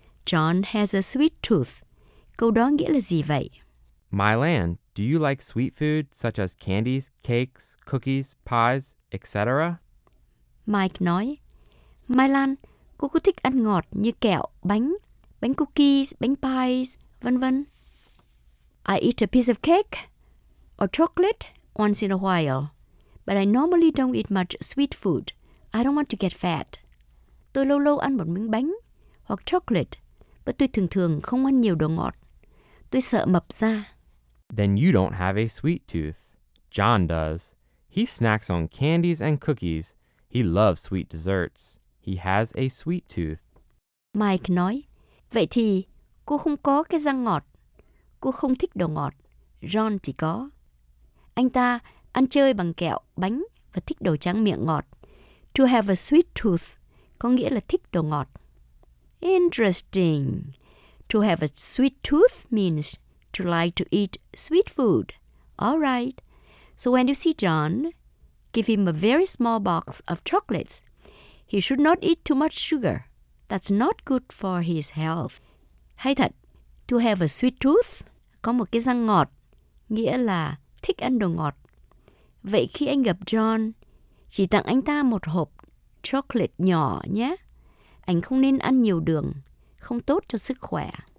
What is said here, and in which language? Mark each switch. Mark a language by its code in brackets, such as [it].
[en] John has a sweet tooth. [vi] Câu đó nghĩa là gì vậy? [en] My land, do you like sweet food such as candies, cakes, cookies, pies, etc.? [vi] Mike nói, My land, cô có thích ăn ngọt như kẹo, bánh, bánh cookies, bánh pies, vân vân. [en] I eat a piece of cake or chocolate once in a while, but I normally don't eat much sweet food. I don't want to get fat. [vi] Tôi lâu lâu ăn một miếng bánh hoặc chocolate, but tôi thường thường không ăn nhiều đồ ngọt. Tôi sợ mập ra. [en] Then you don't have a sweet tooth. John does. He snacks on candies and cookies. He loves sweet desserts. He has a sweet tooth. [vi] Mike nói, Vậy thì, cô không có cái răng ngọt. Cô không thích đồ ngọt. John chỉ có. Anh ta ăn chơi bằng kẹo, bánh và thích đồ tráng miệng ngọt. [en] To have a sweet tooth [vi] có nghĩa là thích đồ ngọt. [en] Interesting. To have a sweet tooth means to like to eat sweet food. All right. So when you see John, give him a very small box of chocolates. He should not eat too much sugar. That's not good for his health. [vi] Hay thật, [en] to have a sweet tooth, [vi] có một cái răng ngọt, nghĩa là thích ăn đồ ngọt. Vậy khi anh gặp John, chỉ tặng anh ta một hộp chocolate nhỏ nhé. Anh không nên ăn nhiều đường, không tốt cho sức khỏe.